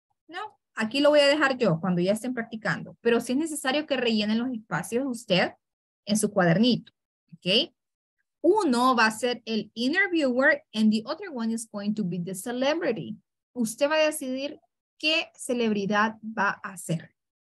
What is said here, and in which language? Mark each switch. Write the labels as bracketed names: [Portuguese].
[Spanish] No, aquí lo voy a dejar yo cuando ya estén practicando. Pero sí es necesario que rellenen los espacios usted en su cuadernito. ¿Ok? Uno va a ser el [English] interviewer and the other one is going to be the celebrity. [Spanish] Usted va a decidir qué celebridad va a ser.